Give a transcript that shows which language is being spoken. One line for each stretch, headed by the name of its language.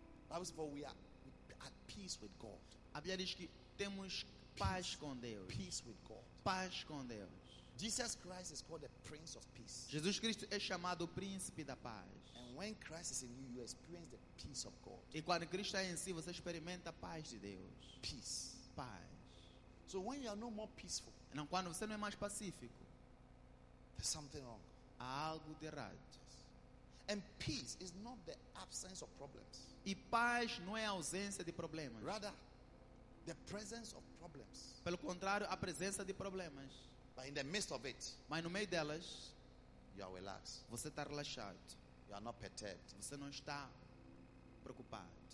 English: Bible says we are at peace with God.
Portuguese: A Bíblia diz que temos paz com Deus.
English: Peace with God.
Portuguese: Paz com Deus.
English: Jesus Christ is called the Prince of Peace.
Portuguese: Jesus Cristo é chamado o Príncipe da Paz.
English: And when Christ is in you, you experience the peace of God.
Portuguese: E quando Cristo está em si, você experimenta a paz de Deus.
English: Peace.
Portuguese: Paz.
English: So when you are no more peaceful,
Portuguese: não, quando você não é mais pacífico,
English: there's something wrong.
Portuguese: Há algo de errado.
English: And peace is not the absence of problems.
Portuguese: E paz não é a ausência de problemas.
English: Rather, the presence of problems.
Portuguese: Pelo contrário, a presença de problemas.
English: But in the midst of it,
Portuguese: mas no meio delas,
English: you are relaxed.
Portuguese: Você está relaxado.
English: You are not perturbed.
Portuguese: Você não está preocupado.